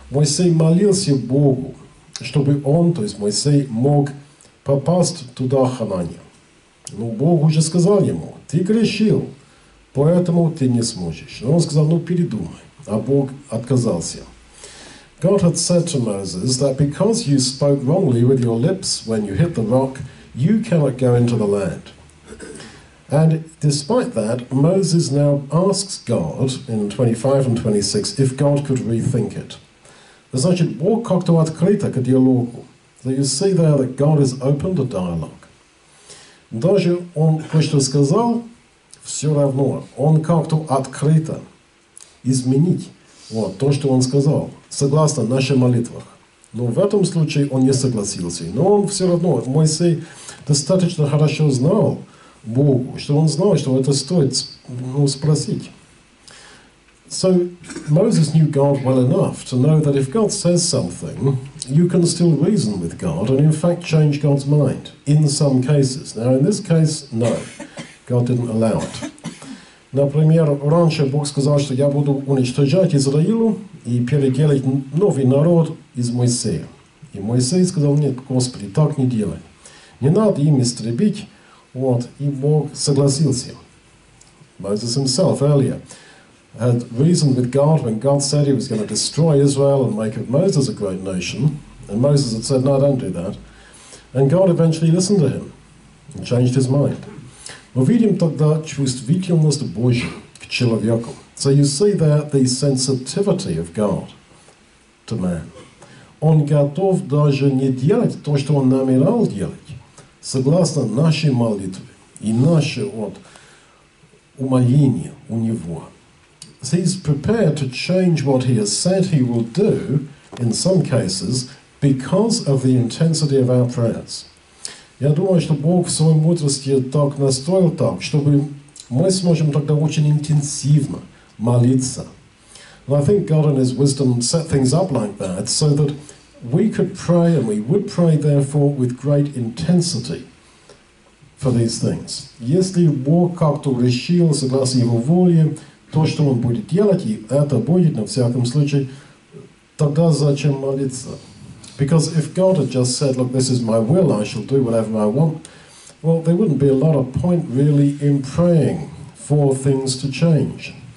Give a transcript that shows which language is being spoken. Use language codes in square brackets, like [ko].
[ru] Мойсей молился Богу, чтобы он, то есть Мойсей, мог попасть туда, Ханания. Но Бог уже сказал ему, ты грешил, поэтому ты не сможешь. Но он сказал, передумай. А Бог отказался. [en] God had said to Moses that because you spoke wrongly with your lips when you hit the rock, you cannot go into the land. And despite that, Moses now asks God in 25 and 26 if God could rethink it. [ru] Значит, Бог как-то открыто к диалогу. [en] So you see there that God has opened a dialogue. [ru] Даже он кое-что сказал, все равно он как-то открыто изменить вот то, что он сказал, согласно нашей молитве. Но в этом случае он не согласился. Но он все равно, Моисей достаточно хорошо знал Богу, что он знал, что это стоит спросить. [en] So Moses knew God well enough to know that if God says something, you can still reason with God and in fact change God's mind in some cases. Now in this case, no, God didn't allow it. [ru] Например, раньше Бог сказал, что я буду уничтожать Израилю и переделать новый народ из Моисея. И Моисей сказал, нет, Господи, так не делай. Не надо им истребить. Вот, и Бог согласился. [en] Moses himself earlier had reasoned with God when God said he was going to destroy Israel and make of Moses a great nation. And Moses had said, no, don't do that. And God eventually listened to him and changed his mind. [ru] Мы видим тогда чувствительность Божья к человеку. [en] So you see there the sensitivity of God to man. [ru] Он готов даже не делать то, что он намерал делать, согласно нашей молитве и наше умоление у него. [en] So he's prepared to change what he has said he will do in some cases because of the intensity of our prayers. [ru] Я думаю, что Бог в своей мудрости так настроил так, чтобы мы сможем тогда очень интенсивно молиться. [en] And I think God in His wisdom set things up like that so that we could pray and we would pray therefore with great intensity for these things. [ru] Если Бог как-то решил согласно Его воле то, что Он будет делать, и это будет на всяком случае, Тогда зачем молиться? [en] Because if God had just said, look, this is my will, I shall do whatever I want, well, there wouldn't be a lot of point really in praying for things to change.